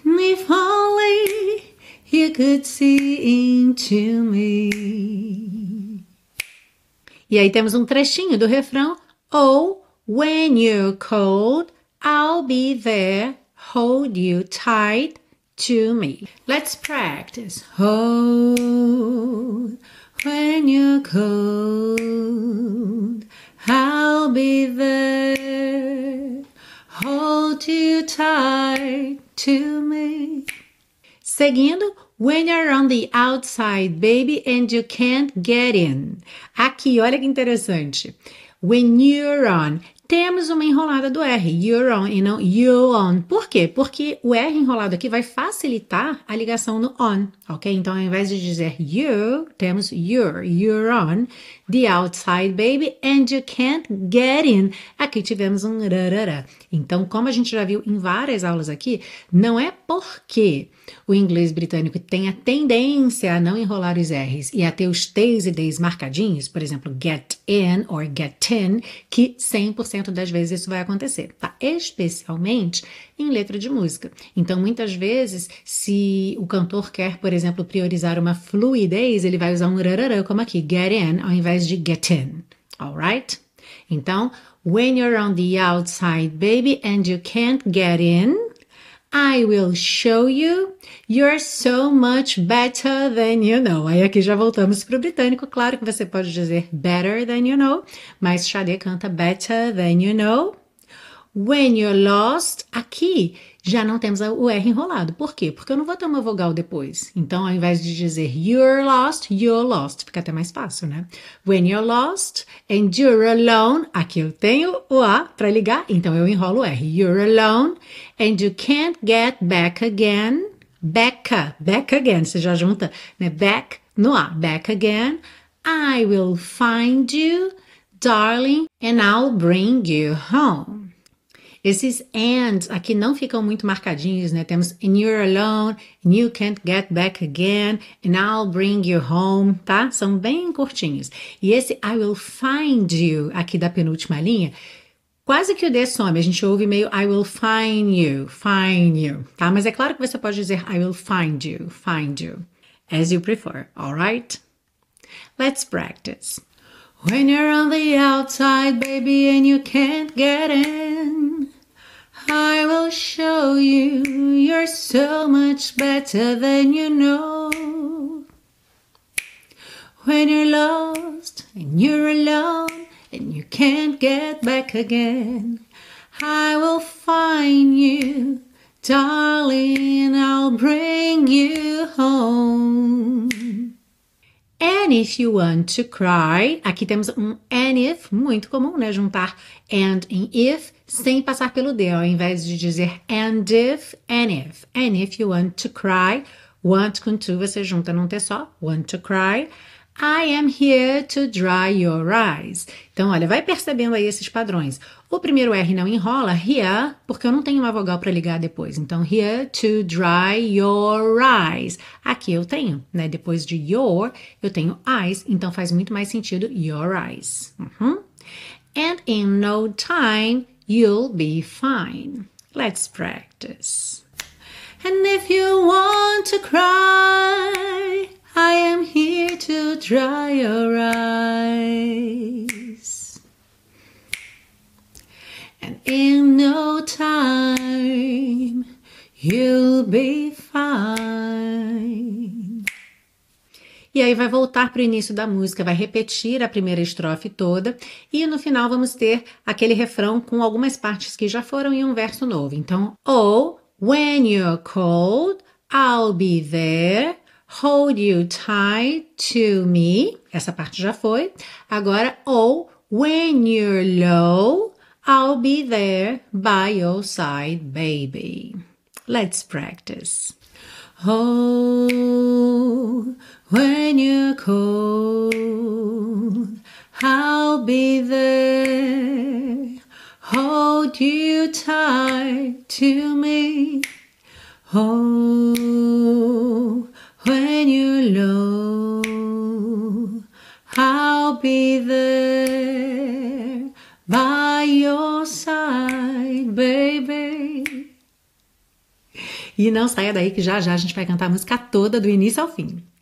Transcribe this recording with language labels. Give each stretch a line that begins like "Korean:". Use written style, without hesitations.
English: If only you could see into me.
Portuguese: E aí temos um trechinho do refrão.
English: Oh, when you're cold, I'll be there, hold you tight to me. Let's practice. Oh, when you're cold, I'll be there, hold you tight to me.
Portuguese: Seguindo,
English: when you're on the outside, baby, and you can't get in.
Portuguese: Aqui, olha que interessante.
English: When you're on,
Portuguese: temos uma enrolada do R,
English: you're on
Portuguese: e não you're on. Por quê? Porque o R enrolado aqui vai facilitar a ligação no on, ok? Então, ao invés de dizer
English: you,
Portuguese: temos
English: you're on, the outside baby, and you can't get in.
Portuguese: Aqui tivemos um rarara. Então, como a gente já viu em várias aulas aqui, não é porque o inglês britânico tem a tendência a não enrolar os R's e a ter os T's e D's marcadinhos, por exemplo,
English: get in or get in,
Portuguese: que 100% das vezes isso vai acontecer, tá? Especialmente em letra de música. Então, muitas vezes, se o cantor quer, por exemplo, priorizar uma fluidez, ele vai usar um rararã, como aqui,
English: get in,
Portuguese: ao invés de get in,
English: alright?
Portuguese: Então,
English: when you're on the outside, baby, and you can't get in, I will show you you're so much better than you know.
Portuguese: Aí aqui já voltamos para o britânico. Claro que você pode dizer
English: better than you know,
Portuguese: mas Sade canta better than you know.
English: When you're lost,
Portuguese: aqui já não temos o R enrolado. Por quê? Porque eu não vou ter uma vogal depois. Então, ao invés de dizer
English: you're lost,
Portuguese: fica até mais fácil, né?
English: When you're lost and you're alone,
Portuguese: aqui eu tenho o A para ligar, então eu enrolo o R.
English: You're alone and you can't get back again. Back again,
Portuguese: você já junta, né? Back no A. Back again.
English: I will find you, darling, and I'll bring you home.
Portuguese: Esses and aqui não ficam muito marcadinhos, né? Temos
English: and you're alone, and you can't get back again, and I'll bring you home,
Portuguese: tá? São bem curtinhos. E esse
English: I will find you
Portuguese: aqui da penúltima linha, quase que o D some. A gente ouve meio I will find you, tá? Mas é claro que você pode dizer
English: I will find you, as you prefer, alright? Let's practice. When you're on the outside, baby, and you can't get in, I will show you you're so much better than you know. When you're lost and you're alone and you can't get back again, I will find you, darling, I'll bring you home. And if you want to cry,
Portuguese: aqui temos
English: and if,
Portuguese: muito comum, né, juntar and em if, sem passar pelo D, ao invés de dizer and if, and if.
English: And if you want to cry, want com to,
Portuguese: você junta num T só,
English: want to cry, I am here to dry your eyes.
Portuguese: Então, olha, vai percebendo aí esses padrões. O primeiro R não enrola, here, porque eu não tenho uma vogal para ligar depois. Então,
English: here to dry your eyes.
Portuguese: Aqui eu tenho, né? Depois de your, eu tenho eyes. Então, faz muito mais sentido
English: your eyes. Uhum. And in no time, you'll be fine. Let's practice. And if you want to cry, I am here to dry your eyes. And in no time, you'll be fine.
Portuguese: E aí vai voltar para o início da música, vai repetir a primeira estrofe toda. E no final vamos ter aquele refrão com algumas partes que já foram e um verso novo. Então,
English: oh, when you're cold, I'll be there. Hold you tight to me.
Portuguese: Essa parte já foi. Agora,
English: oh, when you're low, I'll be there by your side, baby. Let's practice. Oh, when you're cold, I'll be there. Hold you tight to me. Oh, when you're low, I'll be there by your side, baby.
Portuguese: E não saia daí que já já a gente vai cantar a música toda do início ao fim.